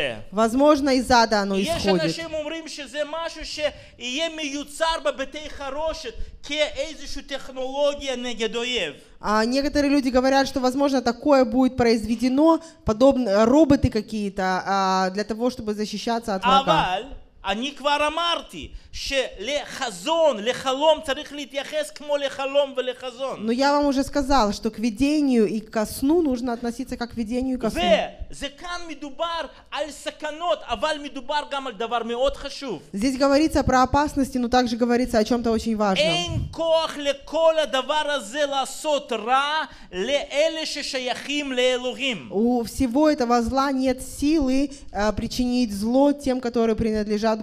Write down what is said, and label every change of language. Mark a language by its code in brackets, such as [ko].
[ru] Возможно, из ада оно исходит. А некоторые люди говорят, что, возможно, такое будет произведено, подобные роботы какие-то, для того, чтобы защищаться от врага. [he] אני כבר אמרתי שלחזון, לחלום צריך להתייחס כמו לחלום ולחזון. [ru] Но я вам уже сказал, что к видению и ко сну нужно относиться как к видению и ко сну. [he] זה כאן מדובר על סכנות, אבל מדובר גם על דבר מאוד חשוב. [ru] Здесь говорится про опасности, но также говорится о чем-то очень важном. [he] אין כוח לכל הדבר הזה לעשות רע לאלה ששייכים לאלוהים. [ru] У всего этого зла нет силы причинить зло тем, которые принадлежат